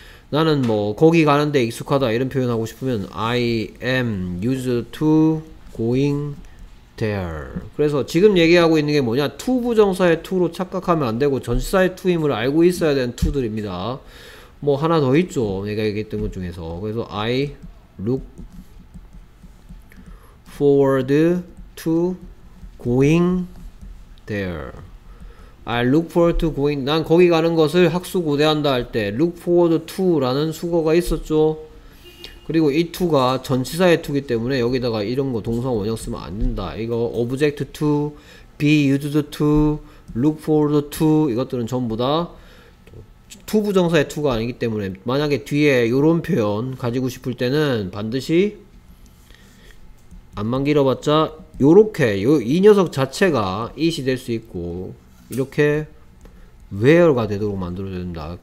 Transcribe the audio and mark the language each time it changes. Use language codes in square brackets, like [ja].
[ko] 나는 뭐 거기 가는데 익숙하다 이런 표현하고 싶으면 [en] I am used to going there. [ko] 그래서 지금 얘기하고 있는 게 뭐냐 to 부정사의 to로 착각하면 안 되고 전치사의 to임을 알고 있어야 되는 to들입니다. 뭐 하나 더 있죠 내가 얘기했던 것 중에서. 그래서 [en] I look forward to going there. I look forward to going. [ko] 난 거기 가는 것을 학수 고대한다 할 때 look forward to 라는 수거가 있었죠. 그리고 이 to가 전치사의 to기 때문에 여기다가 이런 거 동사 원형 쓰면 안 된다. 이거 [en] object to, be used to, look forward to [ko] 이것들은 전부 다 to 부정사의 to가 아니기 때문에 만약에 뒤에 이런 표현 가지고 싶을 때는 반드시 앞만 길어봤자 요렇게 이 녀석 자체가 it이 될 수 있고 이렇게 where가 되도록 만들어줘야 된다.